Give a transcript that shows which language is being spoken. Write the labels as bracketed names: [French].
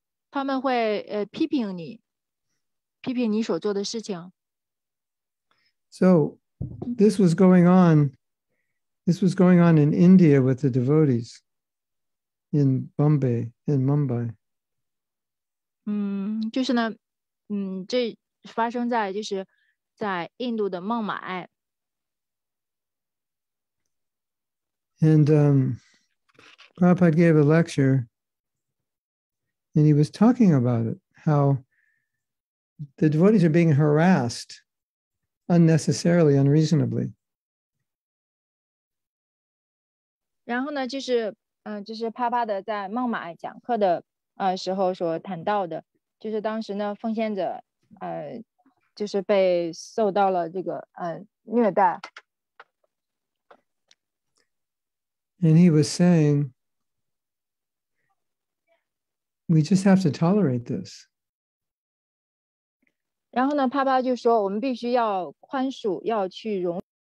[Chinese] 他们会, 批评你, 批评你所做的事情。 [English] So, this was going on in India with the devotees in Mumbai. [Chinese] 就是呢, 这发生在印度的孟买。 [English] And Prabhupada gave a lecture, and he was talking about it, how the devotees are being harassed unnecessarily, unreasonably. [Chinese] 然后呢, 就是帕帕的在孟买讲课的时候所谈到的, 就是当时呢, 奉献者, 就是被受到了这个, 虐待。 [English] And he was saying, we just have to tolerate this. [Chinese] 然后呢, 帕帕就说, 我们必须要宽恕, 要去容。